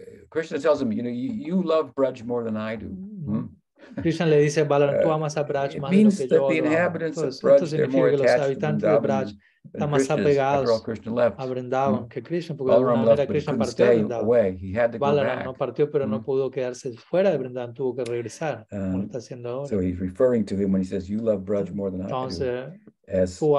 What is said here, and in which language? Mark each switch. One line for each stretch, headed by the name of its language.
English: Krishna tells him, you love Braj more than I do.
Spanish: Krishna le dice a Balaram, tú amas a Braj más de lo que yo. Esto significa que los habitantes de Braj están más apegados a Vrindavan que Krishna, porque de alguna manera Krishna partió de Vrindavan. Balaram no partió, pero no pudo quedarse fuera de Vrindavan, tuvo que regresar, como está haciendo ahora.
English: So he's referring to him when he says, you love Braj more than I do.